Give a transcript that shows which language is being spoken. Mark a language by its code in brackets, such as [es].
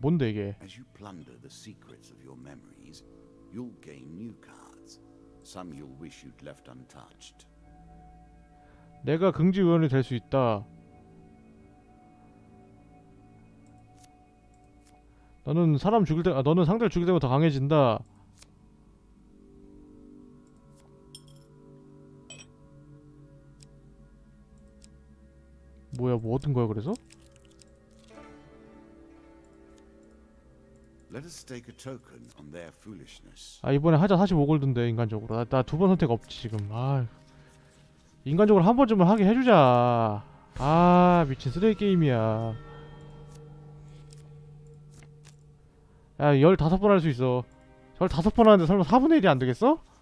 [ko] 뭔데 이게? [en] As you plunder the secrets of your memories, you'll gain new cards. some you'll wish you'd left untouched. [ko] 내가 긍지 의원이 될 수 있다. 너는 사람 죽일 때, 아, 너는 상대를 죽일 때보다 더 강해진다. 뭐야, 뭐 얻은 거야, 그래서? [en] Let us take a token on their foolishness. [ko] 아, 이번에 하자 45골드인데 인간적으로 나 두 번 선택 없지 지금. 아, 인간적으로 한 번쯤은 하게 해주자. 아, 미친 쓰레기 게임이야. 야, 15번 할 수 있어. 15번 하는데 설마 4분의 1이 안 되겠어?